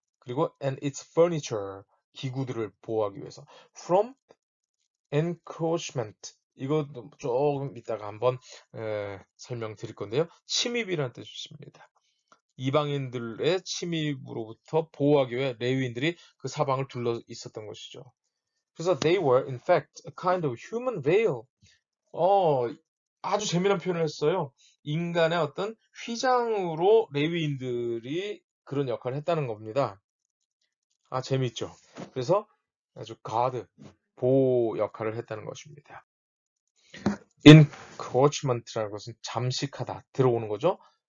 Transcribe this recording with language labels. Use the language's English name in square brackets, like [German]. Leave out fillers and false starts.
[Korean] 그리고 [English] and its furniture [Korean] 기구들을 보호하기 위해서 [English] from encroachment [Korean] 이것도 조금 이따가 한번 설명 드릴 건데요. 침입이라는 뜻입니다. 이방인들의 침입으로부터 보호하기 위해 레위인들이 그 사방을 둘러 있었던 것이죠. 그래서 [English] they were in fact a kind of human veil. [Korean] 아주 재미난 표현을 했어요. 인간의 어떤 휘장으로 레위인들이 그런 역할을 했다는 겁니다. 아, 재밌죠. 그래서 아주 가드, 보호 역할을 했다는 것입니다. Encroachment라는 것은 잠식하다, 들어오는 거죠.